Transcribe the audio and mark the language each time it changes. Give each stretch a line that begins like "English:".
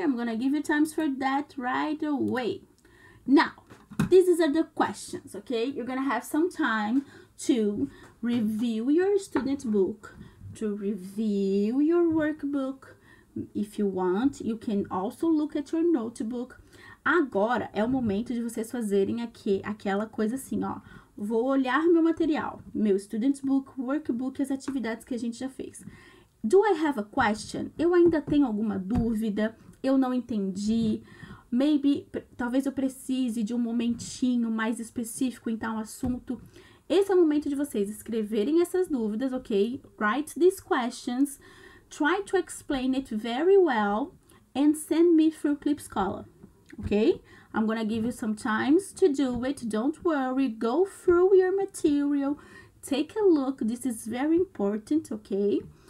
English: I'm gonna give you times for that right away. Now, these are the questions, okay? You're going to have some time to review your student book, to review your workbook. If you want, you can also look at your notebook.
Portuguese: Agora é o momento de vocês fazerem aqui aquela coisa assim, ó. Vou olhar meu material, meu student book, workbook e as atividades que a gente já fez.
English: Do I have a question?
Portuguese: Eu ainda tenho alguma dúvida? Eu não entendi? Maybe, talvez eu precise de um momentinho mais específico em tal assunto. Esse é o momento de vocês escreverem essas dúvidas, ok?
English: Write these questions, try to explain it very well, and send me through ClipScholar, ok? I'm gonna give you some time to do it, don't worry. Go through your material, take a look, this is very important, ok?